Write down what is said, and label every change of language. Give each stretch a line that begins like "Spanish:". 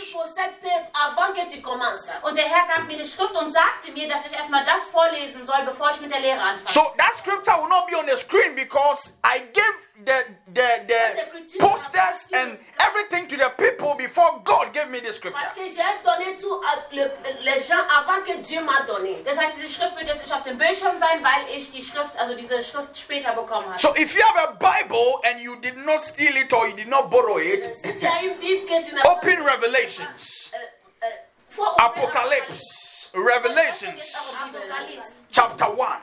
English: So that scripture will not be on the screen because I gave the posters and everything to the people before God gave me this scripture.
French: Parce que j'ai donné tout à les gens avant que Dieu m'a donné.
German: Das heißt, diese Schrift wird jetzt nicht auf dem Bildschirm sein, weil ich die Schrift, also diese Schrift später bekommen habe.
English: So if you have a Bible and you did not steal it or you did not borrow it, open Revelations, Apocalypse, Revelations, chapter 1.